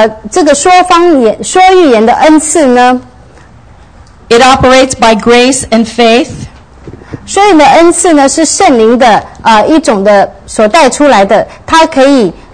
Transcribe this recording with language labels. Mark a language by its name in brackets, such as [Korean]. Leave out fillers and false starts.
[Chinese] 这个说方言、说预言的恩赐呢 [English] ？It operates by grace and faith. [Chinese] 说预言的恩赐呢，是圣灵的一种的所带出来的，它可以。